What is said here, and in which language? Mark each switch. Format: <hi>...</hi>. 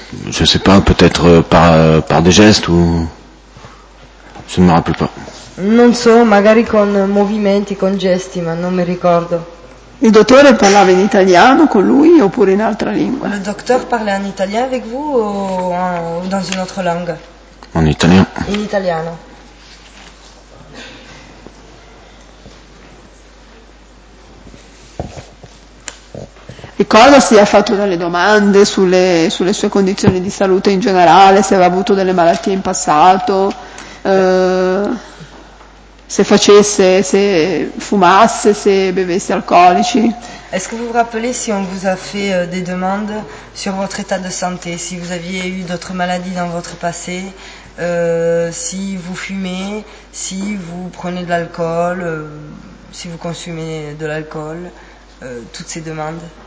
<fr>Je sais pas, peut-être par des gestes ou je ne me rappelle pas.</fr> <it>Non so, magari con movimenti, con gesti, ma non mi ricordo. Il dottore parlava in italiano con lui oppure in altra lingua?</it> <fr>Le docteur parlait en italien avec vous ou dans une autre langue? En italien.</fr> <it>In italiano. E cosa si è fatto delle domande sulle sue condizioni di salute in generale, se aveva avuto delle malattie in passato, se facesse, se fumasse, se bevesse alcolici.</it> <fr>Est-ce que vous vous rappelez si on vous a fait des demandes sur votre état de santé, si vous aviez eu d'autres maladies dans votre passé, si vous fumez, si vous prenez de l'alcol, si vous consommez de l'alcool, toutes ces demandes?</fr>